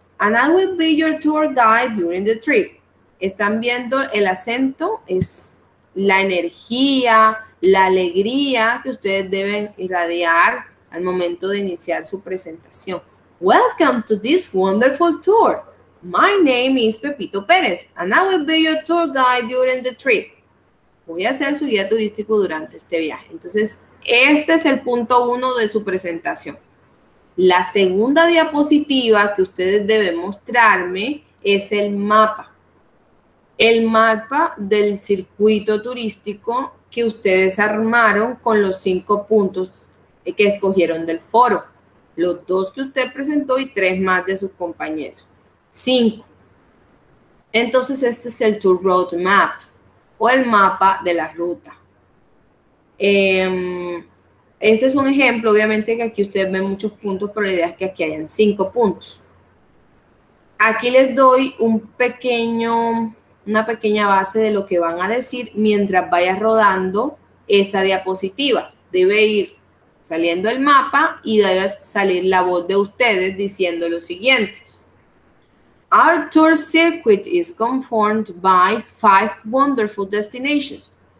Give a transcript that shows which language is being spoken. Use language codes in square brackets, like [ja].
[en] And I will be your tour guide during the trip. [es] Están viendo el acento, es la energía, la alegría que ustedes deben irradiar al momento de iniciar su presentación. [en] Welcome to this wonderful tour. My name is Pepito Pérez, and I will be your tour guide during the trip. [es] Voy a ser su guía turístico durante este viaje. Entonces, este es el punto 1 de su presentación. La segunda diapositiva que ustedes deben mostrarme es el mapa. El mapa del circuito turístico que ustedes armaron con los 5 puntos que escogieron del foro. Los 2 que usted presentó y 3 más de sus compañeros. 5. Entonces, este es el tour road map o el mapa de la ruta. Este es un ejemplo, obviamente que aquí ustedes ven muchos puntos, pero la idea es que aquí hayan 5 puntos. Aquí les doy una pequeña base de lo que van a decir mientras vaya rodando esta diapositiva. Debe ir saliendo el mapa y debe salir la voz de ustedes diciendo lo siguiente. [en] Our tour circuit is conformed by 5 wonderful destinations.